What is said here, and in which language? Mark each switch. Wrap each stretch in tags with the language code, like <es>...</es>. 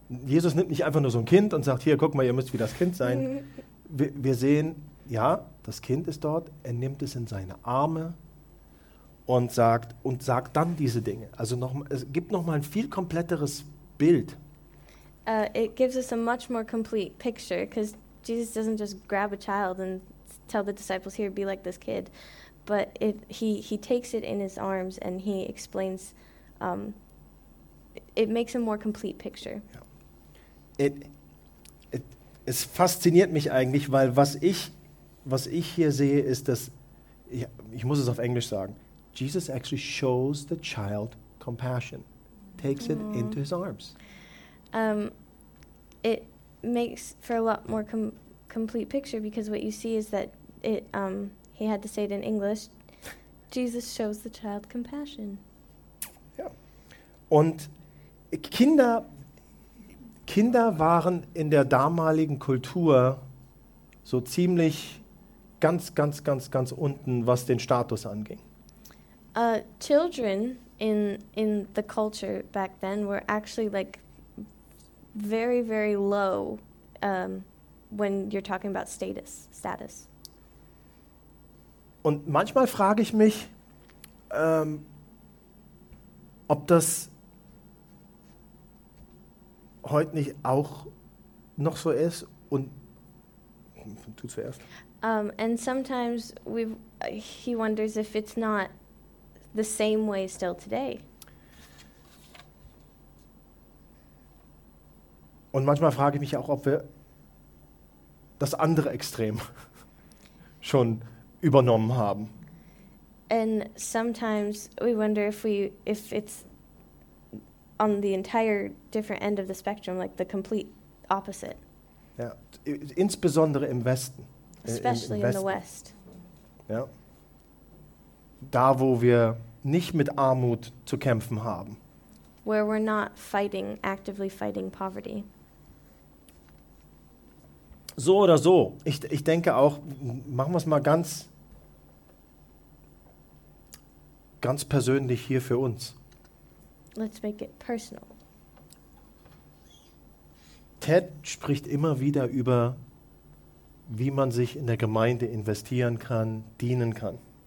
<de>Jesus nimmt nicht einfach nur so ein Kind und sagt, hier, guck mal, ihr müsst wie das Kind sein. Wir sehen, ja, das Kind ist dort, er nimmt es in seine Arme und sagt dann diese Dinge. Also noch, es gibt nochmal ein viel kompletteres Bild.</de> <en>It gives us a much more complete picture, because Jesus doesn't just grab a child and tell the disciples, here, be like this kid. But he takes it in his arms and he explains, it makes a more complete picture. Ja.</en> <de>es fasziniert mich eigentlich, weil was ich hier sehe, ist, dass, ich muss es auf Englisch sagen,</de> <en>Jesus actually shows the child compassion, takes it into his arms. It makes for a lot more complete picture, because what you see is that he had to say it in English, Jesus shows the child compassion.</en> <de>Ja. Und Kinder waren in der damaligen Kultur so ziemlich ganz, ganz, ganz, ganz unten, was den Status anging.</de> <en>Children in the culture back then were actually like very, very low when you're talking about status.</en> <de>Und manchmal frage ich mich, ob das heute nicht auch noch so ist. Und du zuerst.</de> <en>And sometimes he wonders if it's not the same way still today.</en> <de>Und manchmal frage ich mich auch, ob wir das andere Extrem schon übernommen haben.</de> <en>And sometimes we wonder if it's on the entire different end of the spectrum, like the complete opposite.</en> <de>Ja, insbesondere im Westen.</de> <en>Especially in the West.</en> <de>Ja. Da, wo wir nicht mit Armut zu kämpfen haben.</de> <en>Where we're not fighting, actively fighting poverty.</en> <de>So oder so. Ich denke auch, machen wir es mal ganz, ganz persönlich hier für uns.</de> <en>Let's make it personal.</en> <de>Ted spricht immer wieder über, wie man sich in der Gemeinde investieren kann, dienen kann.</de>